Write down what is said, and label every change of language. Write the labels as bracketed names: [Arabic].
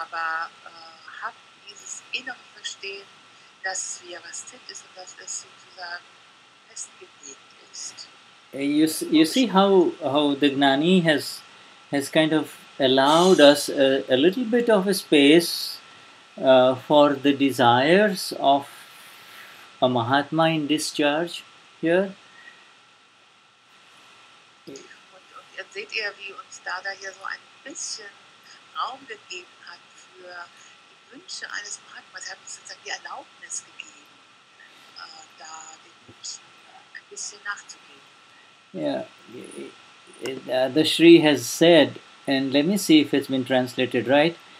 [German] Aber hab dieses innere Verstehen, dass wir was Zit ist und dass es sozusagen festgelegt ist. [English] You see how the Gnani has kind of allowed us a little bit of a space for the desires of a Mahatma in discharge here. [German] Und jetzt seht ihr, wie uns Dada hier so ein bisschen Raum gegeben hat für die Wünsche eines Mahatmas. Er hat uns sozusagen die Erlaubnis gegeben, da den Wünschen ein bisschen nachzugeben. [English] Yeah, the Shri has said, and let me see if it's been translated right.